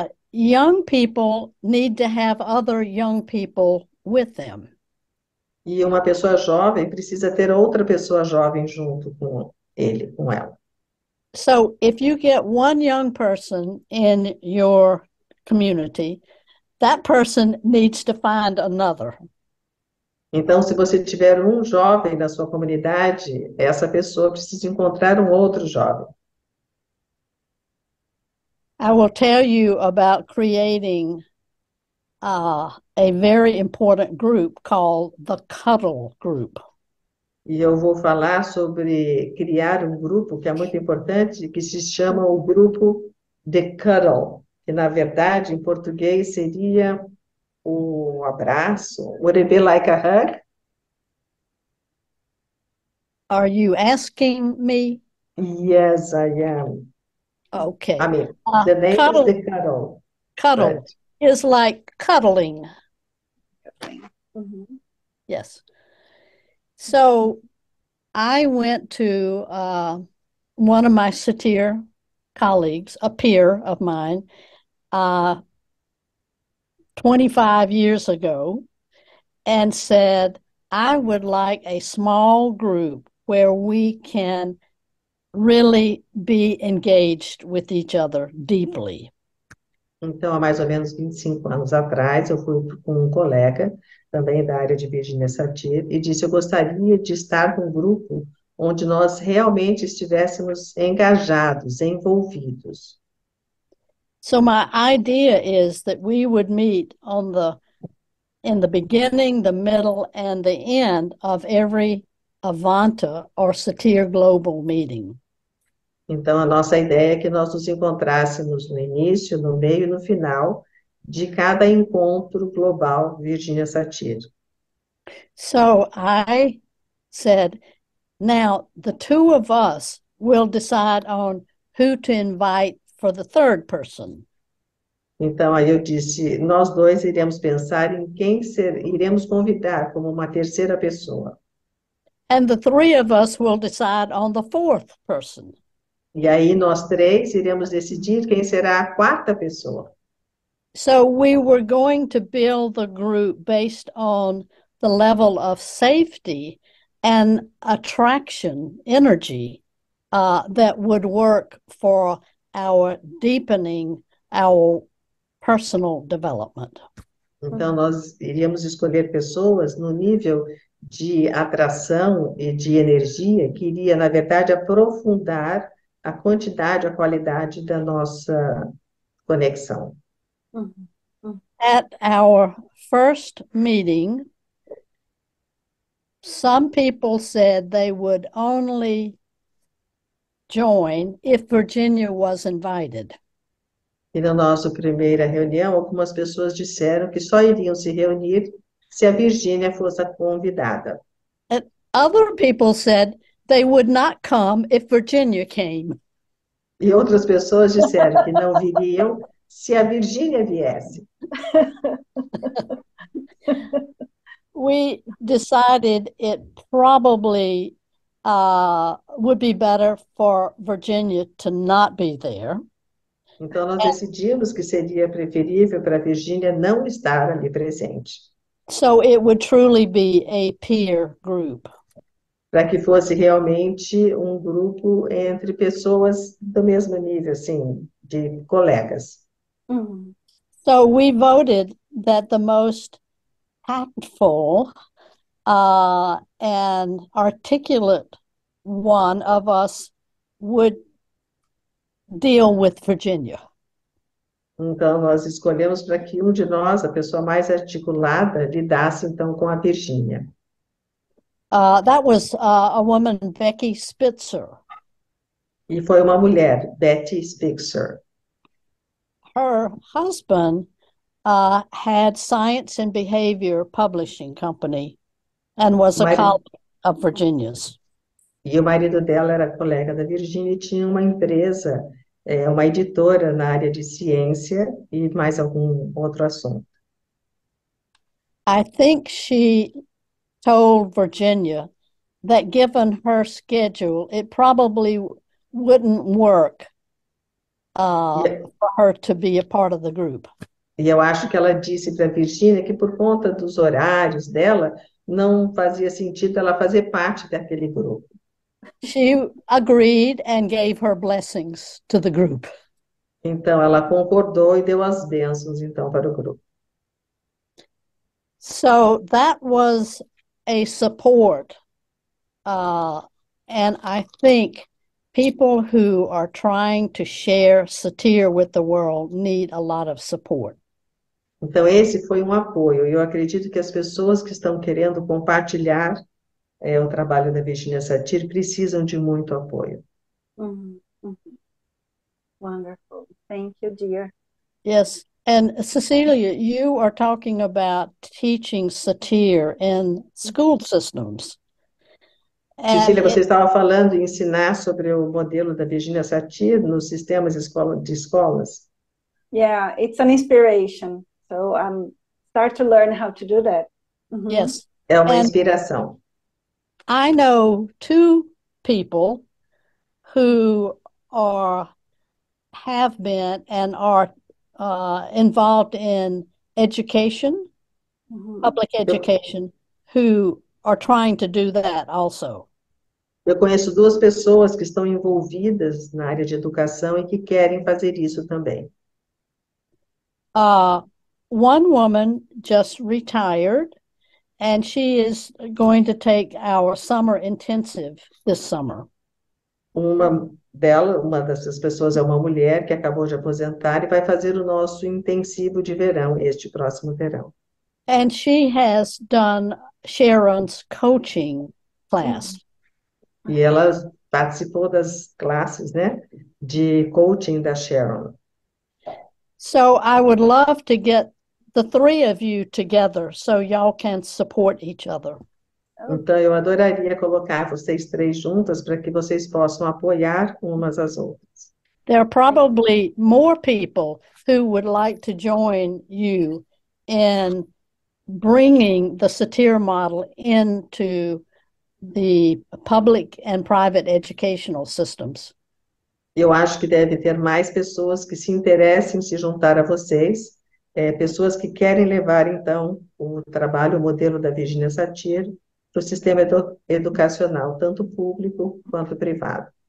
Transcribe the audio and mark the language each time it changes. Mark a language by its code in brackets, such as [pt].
[en] Young people need to have other young people with them. [pt] E uma pessoa jovem precisa ter outra pessoa jovem junto com ele, com ela. [en] So if you get one young person in your community, that person needs to find another. [pt] Então, se você tiver um jovem na sua comunidade, essa pessoa precisa encontrar um outro jovem. [en] I will tell you about creating a very important group called the Cuddle Group. [pt] E eu vou falar sobre criar um grupo que é muito importante, que se chama o grupo de Cuddle, que na verdade em português seria o abraço. [en] Would it be like a hug? Are you asking me? Yes, I am. Okay. I mean, the name cuddle, is the Cuddle. Cuddle but... is like cuddling. Yes. So I went to one of my Satir colleagues, a peer of mine, 25 years ago, and said, I would like a small group where we can really be engaged with each other deeply. [pt] Então, há mais ou menos 25 anos atrás, eu fui com um colega, também da área de Virginia Satir, e disse, eu gostaria de estar num grupo onde nós realmente estivéssemos engajados, envolvidos. [en] So my idea is that we would meet on the, in the beginning, the middle, and the end of every Avanta or Satir Global meeting. [pt] Então, a nossa ideia é que nós nos encontrássemos no início, no meio e no final de cada encontro global Virginia Satir. [en] So I said, now the two of us will decide on who to invite for the third person. [pt] Então, aí eu disse, nós dois iremos pensar em quem iremos convidar como uma terceira pessoa. [en] And the three of us will decide on the fourth person. [pt] E aí nós três iremos decidir quem será a quarta pessoa. [en] So we were going to build the group based on the level of safety and attraction energy that would work for our deepening our personal development. [pt] Então nós iríamos escolher pessoas no nível de atração e de energia que iria, na verdade, aprofundar a quantidade, a qualidade da nossa conexão. [en] At our first meeting, some people said they would only join if Virginia was invited. [pt] E na nossa primeira reunião, algumas pessoas disseram que só iriam se reunir se a Virgínia fosse convidada. [en] And other people said they would not come if Virginia came. [pt] E outras pessoas disseram que não viriam se a Virgínia viesse. [en] We decided it probably would be better for Virginia to not be there. [pt] Então, nós decidimos que seria preferível para a Virgínia não estar ali presente. [en] So it would truly be a peer group. [pt] Para que fosse realmente um grupo entre pessoas do mesmo nível, assim, de colegas. [en] So we voted that the most tactful and articulate one of us would deal with Virginia. [pt] Então, nós escolhemos para que um de nós, a pessoa mais articulada, lidasse, então, com a Virgínia. [en] That was a woman, Becky Spitzer. [pt] E foi uma mulher, Betty Spitzer. [en] Her husband had Science and Behavior Publishing Company and was a colleague of Virginia's. [pt] E o marido dela era colega da Virgínia e tinha uma empresa É uma editora na área de ciência e mais algum outro assunto. [en] I think she told Virginia that given her schedule, it probably wouldn't work for her to be a part of the group. [pt] E eu acho que ela disse para a Virginia que, por conta dos horários dela, não fazia sentido ela fazer parte daquele grupo. [en] She agreed and gave her blessings to the group. [pt] Então, ela concordou e deu as bênçãos, então, para o grupo. [en] So that was a support. And I think people who are trying to share satire with the world need a lot of support. [pt] Então, esse foi um apoio. Eu acredito que as pessoas que estão querendo compartilhar o trabalho da Virginia Satir precisam de muito apoio. [en] Wonderful. Thank you, dear. Yes. And Cecilia, you are talking about teaching satire in school systems. And [pt] Cecília, [en] it. [pt] você estava falando em ensinar sobre o modelo da Virginia Satir nos sistemas de escolas? [en] Yeah, it's an inspiration. So I'm start to learn how to do that. Yes. [pt] É uma [en] And [pt] inspiração. [en] I know two people who are, have been, and are involved in education, public education, who are trying to do that also. [pt] Eu conheço duas pessoas que estão envolvidas na área de educação e que querem fazer isso também. [en] One woman just retired, and she is going to take our summer intensive this summer. [pt] Uma dessas pessoas é uma mulher que acabou de aposentar e vai fazer o nosso intensivo de verão, este próximo verão. [en] And she has done Sharon's coaching class. [pt] E ela participou das classes, né, de coaching da Sharon. [en] So I would love to get the three of you together so y'all can support each other. [pt] Então, eu adoraria colocar vocês três juntas para que vocês possam apoiar umas às outras. [en] There are probably more people who would like to join you in bringing the satire model into the public and private educational systems. [pt] Eu acho que deve ter mais pessoas que se interessem em se juntar a vocês, pessoas que querem levar, então, o trabalho, o modelo da Virginia Satir, para o sistema educacional, tanto público quanto privado.